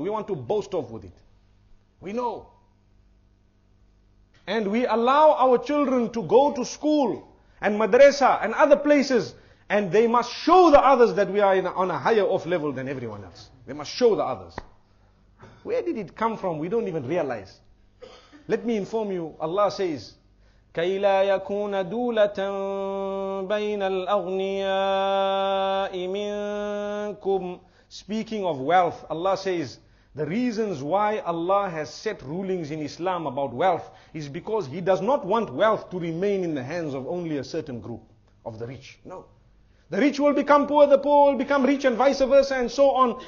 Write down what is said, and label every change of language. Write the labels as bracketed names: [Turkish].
[English] We want to boast off with it. We know. And we allow our children to go to school and madrasa and other places, and they must show the others that we are on a higher off level than everyone else. They must show the others. Where did it come from? We don't even realize. Let me inform you, Allah says, [Arabic] كَيْ لَا يَكُونَ دُولَةً بَيْنَ الْأَغْنِيَاءِ مِنْكُمْ. [English] Speaking of wealth, Allah says, the reasons why Allah has set rulings in Islam about wealth is because He does not want wealth to remain in the hands of only a certain group of the rich. No. The rich will become poor, the poor will become rich, and vice versa, and so on.